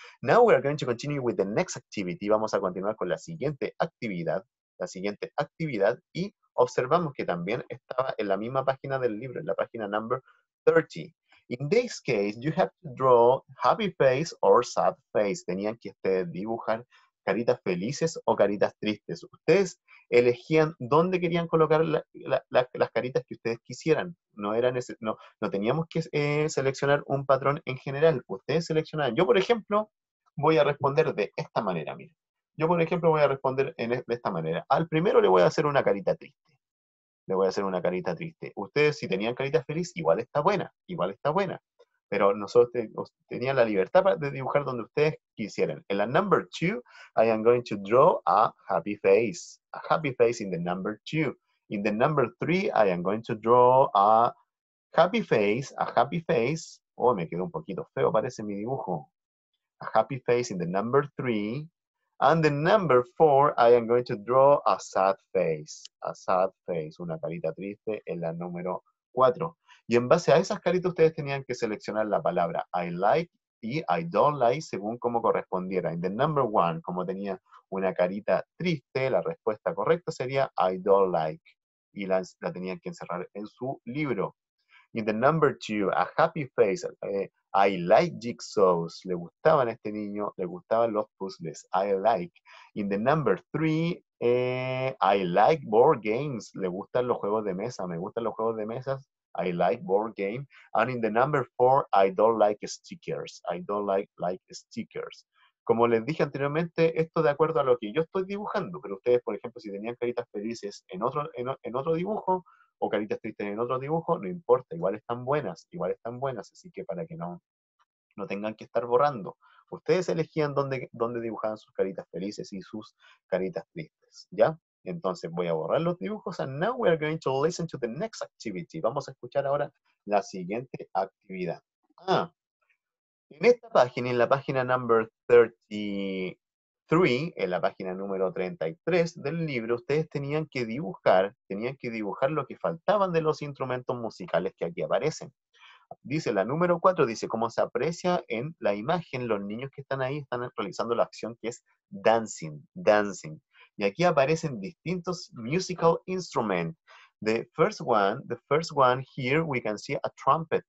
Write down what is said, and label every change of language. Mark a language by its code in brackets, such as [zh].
[en] Now we are going to continue with the next activity. [es] Vamos a continuar con la siguiente actividad. La siguiente actividad. Y observamos que también estaba en la misma página del libro, en la página number 30. In this case, you have to draw happy face or sad face. Tenían que dibujar caritas felices o caritas tristes. Ustedes elegían dónde querían colocar las caritas que ustedes quisieran. No teníamos que seleccionar un patrón en general. Ustedes seleccionaban. Yo, por ejemplo, voy a responder de esta manera. Mira. Yo, por ejemplo, voy a responder de esta manera. Al primero le voy a hacer una carita triste. Le voy a hacer una carita triste. Ustedes, si tenían carita feliz, igual está buena. Igual está buena. Pero nosotros tenían la libertad de dibujar donde ustedes quisieran. En la [en] number two, I am going to draw a happy face. A happy face in the number two. In the number three, I am going to draw a happy face. A happy face. [es] Oh, me quedó un poquito feo, parece mi dibujo. [en] A happy face in the number three. And the number four, I am going to draw a sad face. A sad face. [es] Una carita triste en la número cuatro. Y en base a esas caritas, ustedes tenían que seleccionar la palabra [en] I like [es] y [en] I don't like [es] según como correspondiera. En [en] the number one, [es] como tenía una carita triste, la respuesta correcta sería [en] I don't like. [es] Y la tenían que encerrar en su libro. [en] In the number two, a happy face. I like jigsaws. [es] Le gustaban a este niño, le gustaban los puzzles. [en] I like. In the number three, I like board games. [es] Le gustan los juegos de mesa, me gustan los juegos de mesas. [en] I like board game. And in the number four, I don't like stickers. I don't like stickers. [es] Como les dije anteriormente, esto de acuerdo a lo que yo estoy dibujando. Pero ustedes, por ejemplo, si tenían caritas felices en otro dibujo, o caritas tristes en otro dibujo, no importa, igual están buenas, así que para que no tengan que estar borrando. Ustedes elegían dónde dibujaban sus caritas felices y sus caritas tristes, ¿ya? Entonces voy a borrar los dibujos, [en] and now we are going to listen to the next activity. [es] Vamos a escuchar ahora la siguiente actividad. Ah, en esta página, en la página number 33, en la página número 33 del libro, ustedes tenían que dibujar lo que faltaban de los instrumentos musicales que aquí aparecen. Dice la número 4, dice cómo se aprecia en la imagen, los niños que están ahí están realizando la acción que es dancing. Y aquí aparecen distintos [en] musical instruments. The first one here, we can see a trumpet.